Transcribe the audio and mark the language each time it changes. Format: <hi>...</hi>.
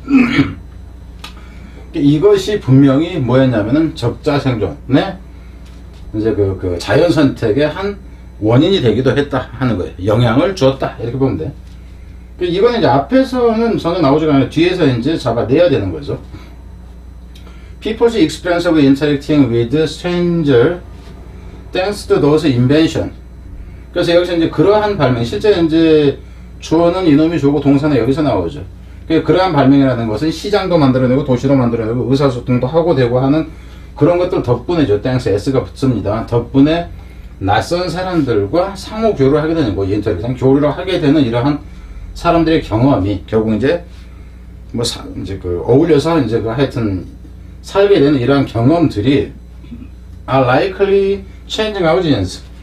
<ko>여기서는 이것이 분명히 뭐였냐면은 적자 생존에 이제 그 자연 선택의 한 원인이 되기도 했다 하는 거예요. 영향을 주었다 이렇게 보면 돼. 이거는 이제 앞에서는 전혀 나오지가 않아요. 뒤에서 이제 잡아내야 되는 거죠.</ko> <en>People's experience of interacting with strangers thanks to those inventions.</en> <ko>그래서 여기서 이제 그러한 발명, 실제 이제 주어는 이놈이 주고 동사는 여기서 나오죠. 그러한 발명이라는 것은 시장도 만들어내고 도시도 만들어내고 의사소통도 하고 되고 하는 그런 것들 덕분에죠. thanks, s가 붙습니다. 덕분에 낯선 사람들과 상호 교류를 하게 되는 거, 인터랙션 교류를 하게 되는 이러한 사람들의 경험이 결국 이제 뭐 이제 그 어울려서 이제 그 하여튼 살게 되는 이러한 경험들이</ko> <en>are likely changing our genes.</en>